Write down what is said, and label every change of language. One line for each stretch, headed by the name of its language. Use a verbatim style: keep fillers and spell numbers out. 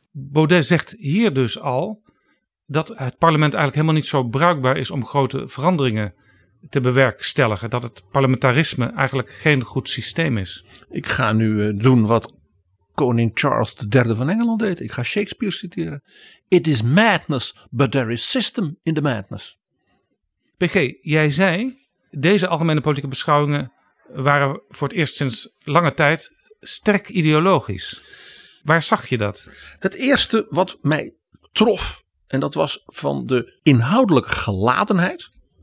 Dutch: Baudet zegt hier dus al dat het parlement eigenlijk helemaal niet zo bruikbaar is om grote veranderingen te bewerkstelligen, dat het parlementarisme eigenlijk geen goed systeem is. Ik ga nu uh, doen wat koning Charles de derde van Engeland deed. Ik ga Shakespeare citeren.
English: It is madness, but there is system in the madness.
Dutch: P G, jij zei, deze algemene politieke beschouwingen waren voor het eerst sinds lange tijd sterk ideologisch. Waar zag je dat? Het eerste wat mij trof, en dat was van de inhoudelijke geladenheid...